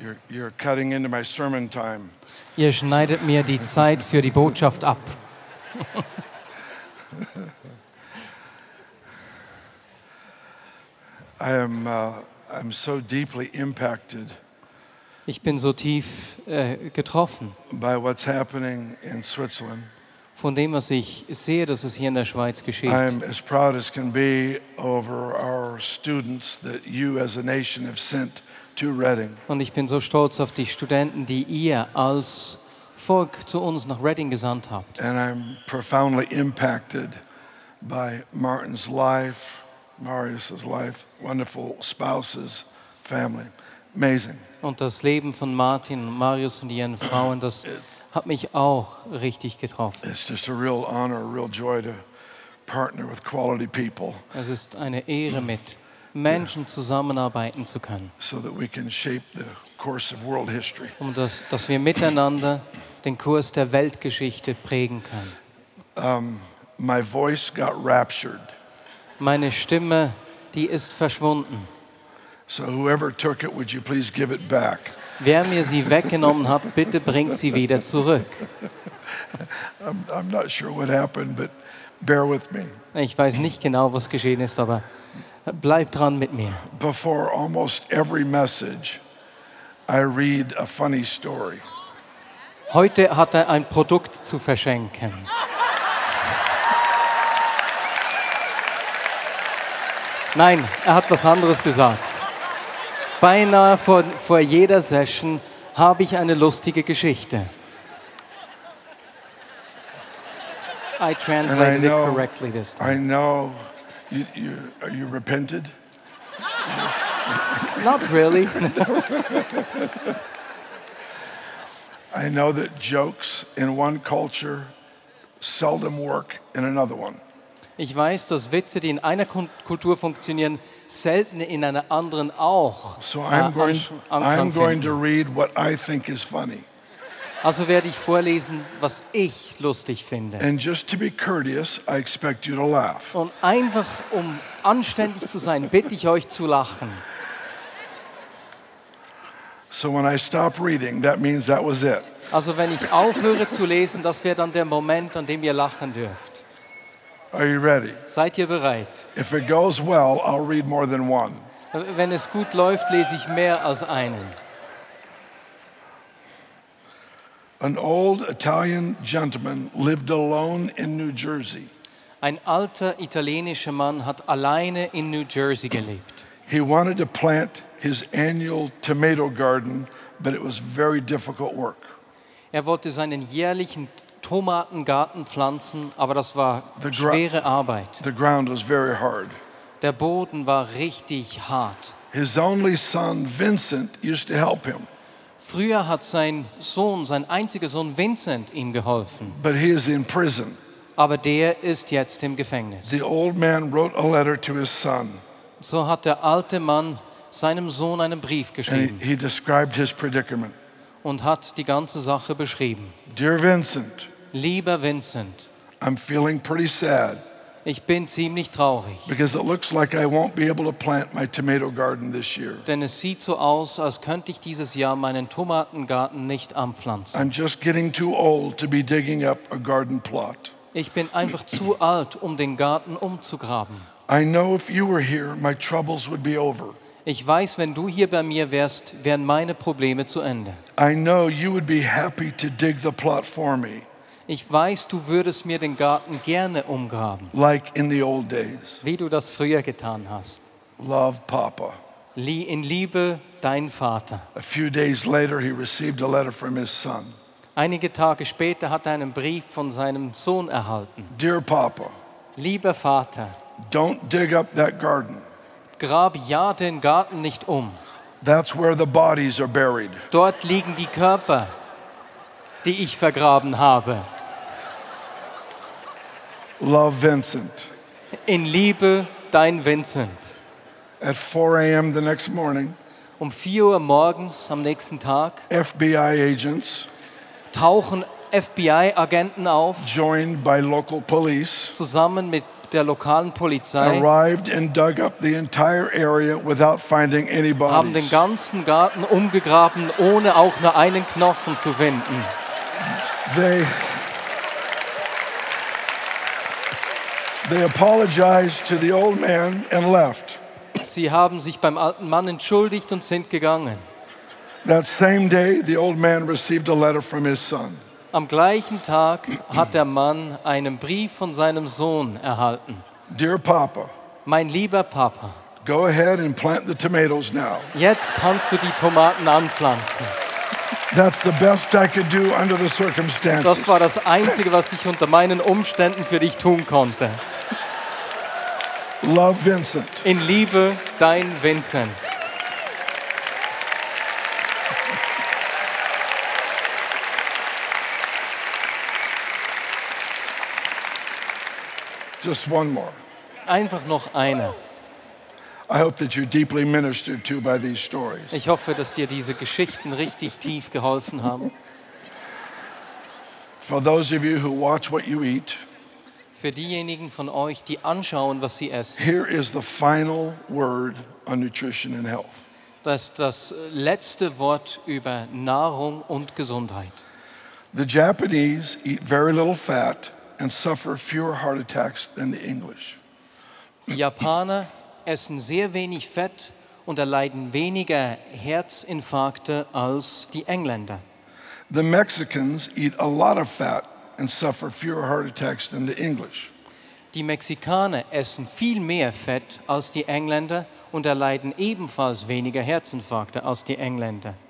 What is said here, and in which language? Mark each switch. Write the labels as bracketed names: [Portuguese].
[English] You're cutting into my sermon time. [German] Ihr schneidet mir die Zeit für die Botschaft ab. [English] I'm so deeply impacted. [German] Ich bin so tief getroffen. [English] By what's happening in Switzerland. [German] Von dem, was ich sehe, dass es hier in der Schweiz geschieht. [English] I'm as proud as can be over our students that you as a nation have sent to Reading. [German] Und ich bin so stolz auf die Studenten, die ihr als Volk zu uns nach Reading gesandt habt. [English] And I'm profoundly impacted by Martin's life, Marius's life, wonderful spouses, family. Amazing. [German] Und das Leben von Martin, Marius und ihren Frauen, das hat mich auch richtig getroffen. [English] It's just a real honor, a real joy to partner with quality people. [German] Es ist eine Ehre, mit Menschen zusammenarbeiten zu können. [English] So that we can shape the course of world history. [German] Um dass wir miteinander den Kurs der Weltgeschichte prägen können. [English] My voice got raptured. [German] Meine Stimme, die ist verschwunden. [English] So whoever took it, would you please give it back? [German] Wer mir sie weggenommen hat, bitte bringt sie wieder zurück. [English] I'm not sure what happened, but bear with me. [German] Ich weiß nicht genau, was geschehen ist, aber bleib dran mit mir. [English] Before almost every message, I read a funny story. [German] Heute hat er ein Produkt zu verschenken. Nein, er hat was anderes gesagt. Beinahe vor jeder Session habe ich eine lustige Geschichte. [English] I translated it correctly this time. I know. Are you repented? Not really. I know that jokes in one culture seldom work in another one. [German] Ich weiß, dass Witze, die in einer Kultur funktionieren, selten in einer anderen auch. [English] So I'm going to read what I think is funny. [German] Also werde ich vorlesen, was ich lustig finde. [English] And just to be courteous, I expect you to laugh. [German] Und einfach um anständig zu sein, bitte ich euch zu lachen. [English] So when I stop reading, that means that was it. [German] Also wenn ich aufhöre zu lesen, das wäre dann der Moment, an dem ihr lachen dürft. [English] Are you ready? [German] Seid ihr bereit? [English] If it goes well, I'll read more than one. [German] Wenn es gut läuft, lese ich mehr als einen. [English] An old Italian gentleman lived alone in New Jersey. [German] Ein alter italienischer Mann hat alleine in New Jersey gelebt. [English] He wanted to plant his annual tomato garden, but it was very difficult work. [German] Er wollte seinen jährlichen Tomatengarten pflanzen, aber das war schwere Arbeit. [English] The ground was very hard. [German] Der Boden war richtig hart. [English] His only son Vincent used to help him. [German] Früher hat sein einziger Sohn Vincent ihm geholfen. [English] But he is in prison. [German] Aber der ist jetzt im Gefängnis. [English] The old man wrote a letter to his son. [German] So hat der alte Mann seinem Sohn einen Brief geschrieben. [English] And he described his predicament. [German] Und hat die ganze Sache beschrieben. [English] Dear Vincent, [German] lieber Vincent, [English] I'm feeling pretty sad. [German] Ich bin ziemlich traurig. [English] Because it looks like I won't be able to plant my tomato garden this year. [German] Denn es sieht so aus, als könnte ich dieses Jahr meinen Tomatengarten nicht anpflanzen. [English] I'm just getting too old to be digging up a garden plot. [German] Ich bin einfach zu alt, um den Garten umzugraben. [English] I know if you were here, my troubles would be over. [German] Ich weiß, wenn du hier bei mir wärst, wären meine Probleme zu Ende. [English] I know you would be happy to dig the plot for me. [German] Ich weiß, du würdest mir den Garten gerne umgraben. [English] Like in the old days. [German] Wie du das früher getan hast. [English] Love, Papa. [German] In Liebe, dein Vater. [English] A few days later he received a letter from his son. [German] Einige Tage später hat er einen Brief von seinem Sohn erhalten. [English] Dear Papa. [German] Lieber Vater. [English] Don't dig up that garden. [German] Grab ja den Garten nicht um. [English] That's where the bodies are buried. [German] Dort liegen die Körper, die ich vergraben habe. [English] Love, Vincent. [German] In Liebe, dein Vincent. [English] At 4 a.m. the next morning. [German] Um 4 Uhr morgens am nächsten Tag. [English] FBI agents. [German] Tauchen FBI-Agenten auf, [English] joined by local police, [German] zusammen mit der lokalen Polizei, [English] arrived and dug up the entire area without finding any bodies. [German] Haben den ganzen Garten umgegraben, ohne auch nur einen Knochen zu finden. [English] They apologized to the old man and left. [German] Sie haben sich beim alten Mann entschuldigt und sind gegangen. [English] That same day, the old man received a letter from his son. [German] Am gleichen Tag hat der Mann einen Brief von seinem Sohn erhalten. [English] Dear Papa, [German] mein lieber Papa, [English] go ahead and plant the tomatoes now. [German] Jetzt kannst du die Tomaten anpflanzen. [English] That's the best I could do under the circumstances. [German] Das war das Einzige, was ich unter meinen Umständen für dich tun konnte. [English] Love, Vincent. [German] In Liebe, dein Vincent. [English] Just one more. [German] Einfach noch eine. [English] I hope that you're deeply ministered to by these stories. [German] Ich hoffe, dass dir diese Geschichten richtig tief geholfen haben. [English] For those of you who watch what you eat. [German] Für diejenigen von euch, die anschauen, was sie essen. [English] Here is the final word on nutrition and health. [German] Das letzte Wort über Nahrung und Gesundheit. [English] The Japanese eat very little fat and suffer fewer heart attacks than the English. [German] Die Japaner essen sehr wenig Fett und erleiden weniger Herzinfarkte als die Engländer. [English] The Mexicans eat a lot of fat and suffer fewer heart attacks than the English. [German] Die Mexikaner essen viel mehr Fett als die Engländer und erleiden ebenfalls weniger Herzinfarkte als die Engländer.